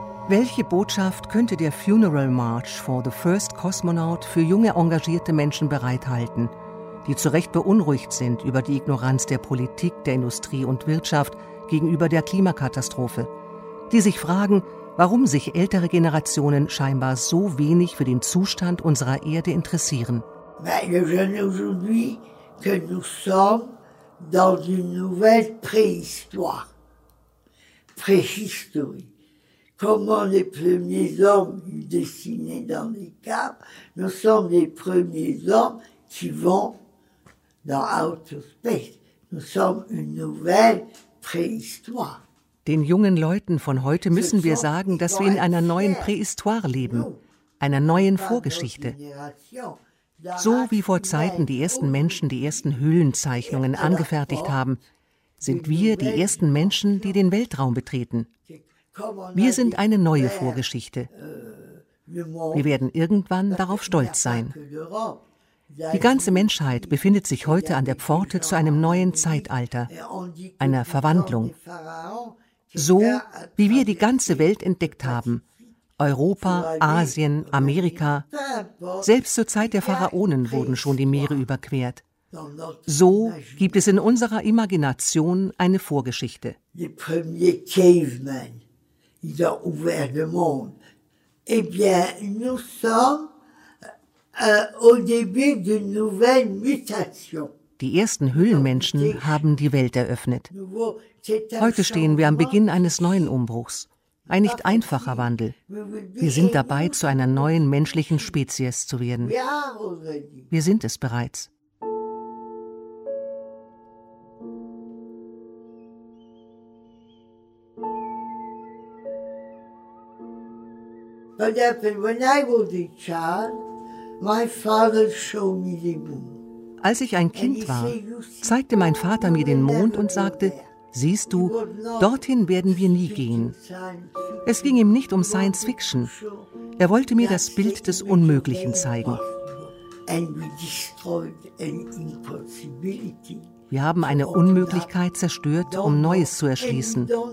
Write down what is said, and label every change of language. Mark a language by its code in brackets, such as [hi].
[de] Welche Botschaft könnte der Funeral March for the First Cosmonaut für junge engagierte Menschen bereithalten, die zu Recht beunruhigt sind über die Ignoranz der Politik, der Industrie und Wirtschaft gegenüber der Klimakatastrophe, die sich fragen, warum sich ältere Generationen scheinbar so wenig für den Zustand unserer Erde interessieren? Meine Generation [fr] que nous sommes dans une nouvelle préhistoire. Préhistoire. Comment les premiers hommes dessinés dans les caves, nous sommes les premiers hommes qui vont dans [en] outer space. [fr] Nous sommes une nouvelle préhistoire. [de] Den jungen Leuten von heute müssen wir sagen, dass wir in einer neuen Prähistoire leben, einer neuen Vorgeschichte. So wie vor Zeiten die ersten Menschen die ersten Höhlenzeichnungen angefertigt haben, sind wir die ersten Menschen, die den Weltraum betreten. Wir sind eine neue Vorgeschichte. Wir werden irgendwann darauf stolz sein. Die ganze Menschheit befindet sich heute an der Pforte zu einem neuen Zeitalter, einer Verwandlung. So, wie wir die ganze Welt entdeckt haben. Europa, Asien, Amerika. Selbst zur Zeit der Pharaonen wurden schon die Meere überquert. So gibt es in unserer Imagination eine Vorgeschichte. [fr] Die premier cavemen, ils ont ouvert le monde. Eh bien, nous sommes au début d'une nouvelle mutation. [de] Die ersten Höhlenmenschen haben die Welt eröffnet. Heute stehen wir am Beginn eines neuen Umbruchs, ein nicht einfacher Wandel. Wir sind dabei, zu einer neuen menschlichen Spezies zu werden. Wir sind es bereits. [en] But when I was a child, my father showed me the moon. [de] Als ich ein Kind war, zeigte mein Vater mir den Mond und sagte, siehst du, dorthin werden wir nie gehen. Es ging ihm nicht um Science Fiction. Er wollte mir das Bild des Unmöglichen zeigen. Wir haben eine Unmöglichkeit zerstört, um Neues zu erschließen.